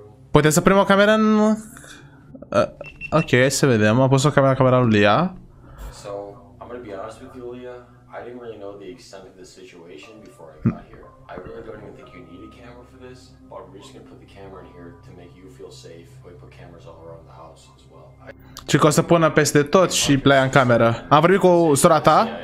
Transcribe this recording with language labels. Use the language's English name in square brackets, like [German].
[Romanian] Puteți să primim o cameră în... ok, hai să vedem. Am pus o cameră în camera lui Lia. [English] So, I'm gonna be honest with you, Lia. I didn't really know the extent of the situation before I got here. I really don't even think you need a camera for this, but we're just gonna put the camera in here to make you feel safe. We put cameras all around the house as well. [Romanian] Ce că o să pună peste tot și pleia în cameră. Am vorbit cu sora ta.